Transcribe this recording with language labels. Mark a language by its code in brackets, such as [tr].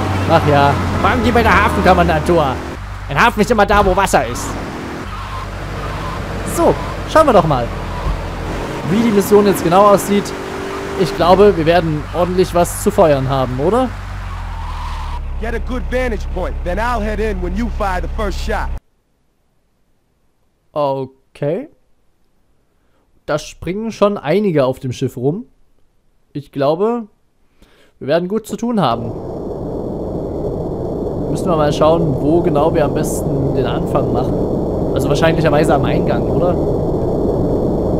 [de] Ach ja, fangen die bei der Hafenkommandantur. Ein Hafen ist immer da, wo Wasser ist. So, schauen wir doch mal, wie die Mission jetzt genau aussieht. Ich glaube, wir werden ordentlich was zu feuern haben, oder? [en] Get a good vantage point, then I'll head in when you fire the first shot. [de] Okay. Da springen schon einige auf dem Schiff rum. Ich glaube, wir werden gut zu tun haben. Müssen wir mal schauen, wo genau wir am besten den Anfang machen. Also wahrscheinlicherweise am Eingang, oder?